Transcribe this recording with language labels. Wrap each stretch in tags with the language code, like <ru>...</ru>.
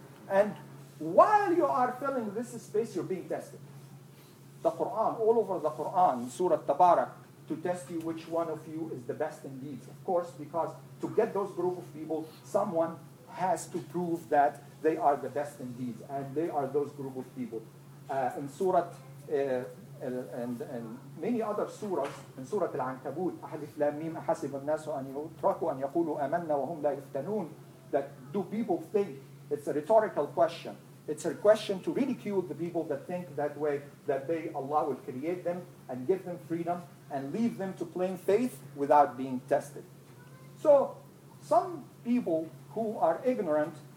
<en>And while you are filling this space, you're being tested. The Quran, all over the Quran, Surah Tabarak, to test you which one of you is the best in deeds. Of course, because to get those group of people, someone has to prove that they are the best in deeds. And they are those group of people. In Surah, and many other surahs, in Surah Al-Ankabut,</en> <ar>أَحَلِفْ لَا مِّمْ أَحَسِبَ النَّاسُ أَنْ يُتْرَكُوا أَنْ يَقُولُوا أَمَنَّا وَهُمْ لَا يُفْتَنُونَ.</ar> <en>That do people think, it's a rhetorical question. It's a question to ridicule the people that think that way, that they, Allah will create them and give them freedom and leave them to plain faith without being tested. So some people who are ignorant</en>